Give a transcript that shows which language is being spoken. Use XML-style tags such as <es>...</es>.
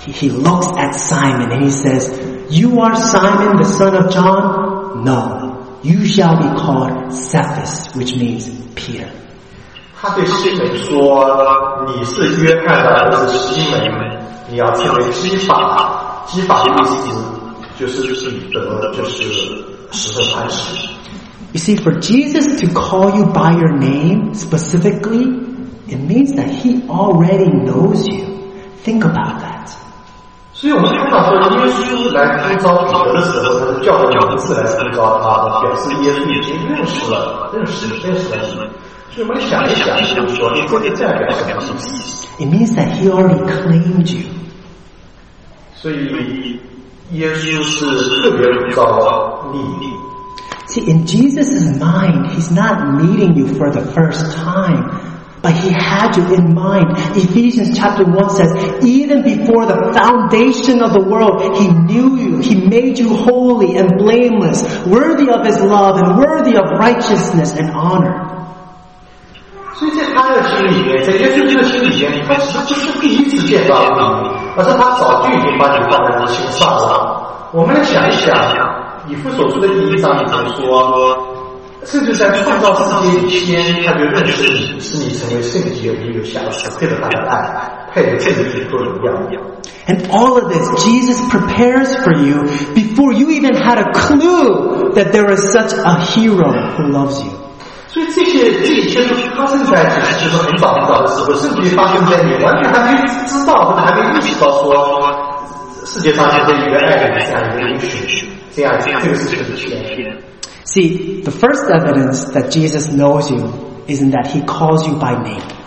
<en>He looks at Simon and he says, You are Simon, the son of John? No, you shall be called Cephas, which means Peter.</en> <zh>他对西门说：“你是约翰的儿子西门，你要成为基法，基法的意思就是彼得，就是石头磐石。”</zh> <en>You see, for Jesus to call you by your name specifically, it means that He already knows you. Think about that.</en> <zh>所以我们看到说耶稣来呼召彼得的时候，叫着名字来呼召他，表示耶稣已经认识了，认识了。所以我们想一想，就是说你说的代表什么意思？</zh> <en>It means that he already claimed you。</en> <zh>所以耶稣是特别呼召你。</zh> <en>See, in Jesus' mind, he's not meeting you for the first time, but he had you in mind. Ephesians chapter 1 says, even before the foundation of the world, he knew you, he made you holy and blameless, worthy of his love and worthy of righteousness and honor. So in his mind, he's not meeting you for the first time, but he had you in mind.</en> <zh>以弗所书的第一章里头说，甚至在创造世界以前，他就认识你，使你成为圣洁，你有瑕疵，配得他的爱，配得自己的荣耀。</zh> <en>And all of this, Jesus prepares for you before you even had a clue that there is such a hero who loves you.</en> <zh>所以这一切都发生在就是很早很早的时候，甚至发生在你完全还没知道，或者还没意识到说世界上有一个爱的这样一个允许。</zh> <en>See, the first evidence that Jesus knows you is in that he calls you by name.</en>